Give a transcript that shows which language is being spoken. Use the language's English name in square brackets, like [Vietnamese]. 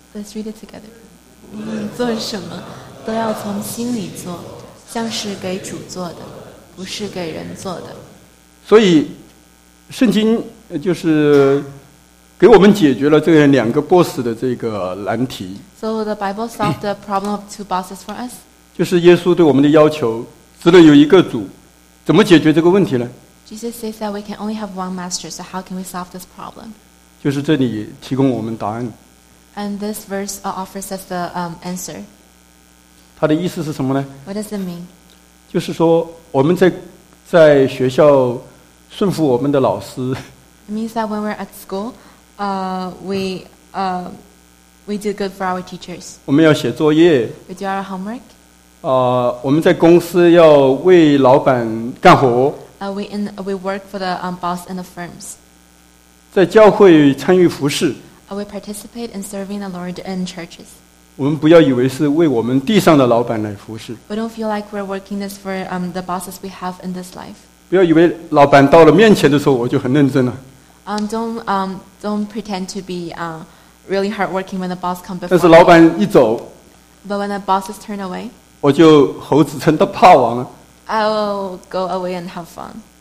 [English] Let's read it together. [Chinese] 无论做什么，都要从心里做，像是给主做的，不是给人做的。所以，圣经就是给我们解决了这个两个 boss 的这个难题。 [English] So the Bible solved the problem of two bosses for us. [Chinese] 就是耶稣对我们的要求，只能有一个主，怎么解决这个问题呢 [English] ？Jesus says that we can only have one master. So how can we solve this problem? [Chinese] 就是这里提供我们答案。 [English] And this verse offers us the answer. [Chinese] 它的意思是什么呢 [English] ？What does it mean? [Chinese] 就是说我们在学校顺服我们的老师。 [English] It means that when we're at school, we do good for our teachers. [Chinese] 我们要写作业。 [English] We do our homework. [Chinese] 我们在公司要为老板干活。 [English] We work for the boss and the firms. [Chinese] 在教会参与服事。 [English] We participate in serving the Lord in churches. [Chinese] 我们不要以为是为我们地上的老板来服事。 [English] We don't feel like we're working this for the bosses we have in this life. [Chinese] 不要以为老板到了面前的时候我就很认真了。 [English] Don't pretend to be really hardworking when the boss comes before. [Chinese] 但是老板一走。 [English] But when the bosses turn away. [Chinese] 我就猴子成了霸王了。 [English] I will go away and have fun.